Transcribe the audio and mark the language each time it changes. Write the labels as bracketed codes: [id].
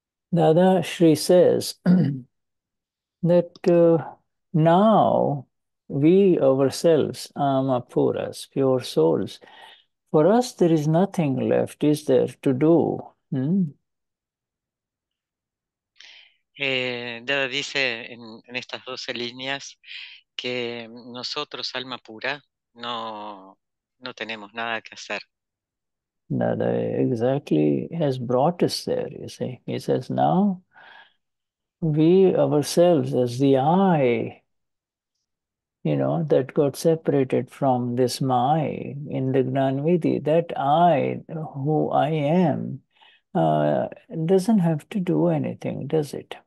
[en] Dada Shri says that now we ourselves are amapuras, pure souls. For us there is nothing left, is there, to do? [es] Dada dice en estas 12 líneas que nosotros, alma pura, no tenemos nada que hacer. [en] Dada exactly has brought us there, you see. He says, now we ourselves as the I, you know, that got separated from this my in the Gnanvidhi, that I, who I am, doesn't have to do anything, does it?